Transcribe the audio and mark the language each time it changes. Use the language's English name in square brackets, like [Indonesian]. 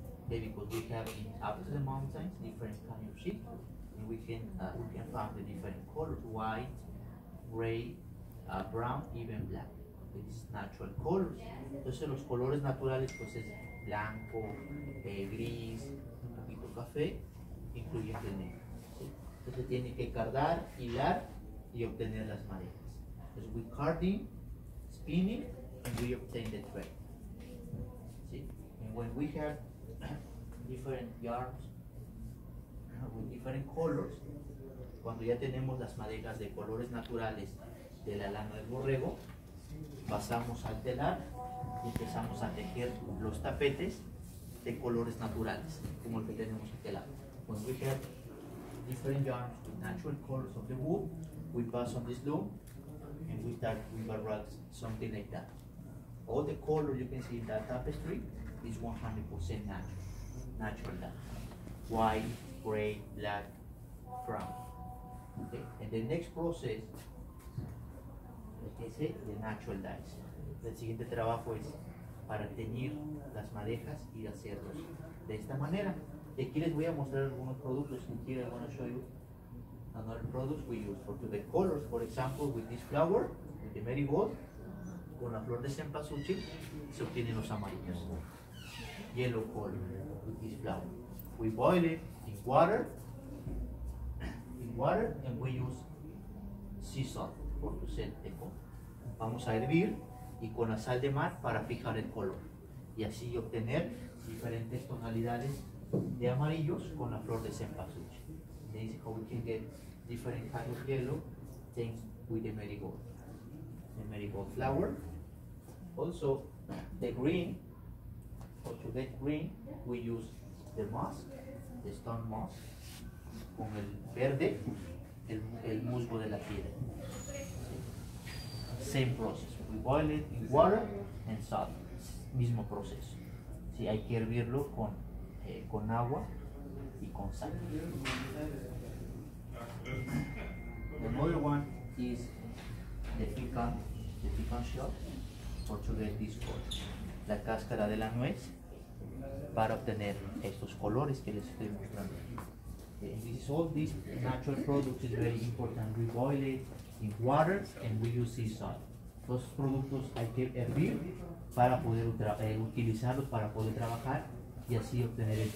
[English] Okay, because we have in up to the mountains different kind of sheep, and we can find the different colors: white, gray, brown, even black. It's natural colors. [Spanish] Entonces los colores naturales pues es blanco, gris, un poquito café, incluyendo el negro. Entonces tiene que cardar, hilar y obtener las madejas. [English] Entonces we carding, spinning, and we obtain the thread. See? And when we have different yarns with different colors, [Spanish] cuando ya tenemos las madejas de colores naturales de la lana del borrego, pasamos al telar y empezamos a tejer los tapetes de colores naturales, como el que tenemos aquí al lado. [English] When we have different yarns with natural colors of the wood, we pass on this loom and we start with a rug, something like that. All the color you can see in that tapestry is 100% natural. Natural dye. White, gray, black, brown. Okay? And the next process, like I said, the natural dyes. [Spanish] El siguiente trabajo es para teñir las madejas y hacerlos de esta manera. Y aquí les voy a mostrar algunos productos. [English] And here I'm going to show you another product we use for the colors. For example, with this flower, with the marigold, [Spanish] con la flor de cempasúchil, se obtienen los amarillos. [English] Yellow color with this flower. We boil it in water, and we use sea salt for to set the color. [Spanish] Vamos a hervir y con la sal de mar para fijar el color y así obtener diferentes tonalidades de amarillos con la flor de cempasúchil. [English] This is how we can get different kinds of yellow things with the marigold. The marigold flower. Also, the green. So to get green, we use the musk, the stone musk, [Spanish] con el verde, el musgo de la piedra. [English] Same process. We boil it in water and salt. [Spanish] Mismo proceso. Sí, hay que hervirlo con agua y con sal. [English] Another one is the pecan shell, for to get this color. [Spanish] La cáscara de la nuez, para obtener estos colores que les estoy mostrando. [English] And this, all these natural products is very important. We boil it in water and we use sea salt. [Spanish] Estos productos hay que hervir para poder utilizarlos, para poder trabajar y así obtener el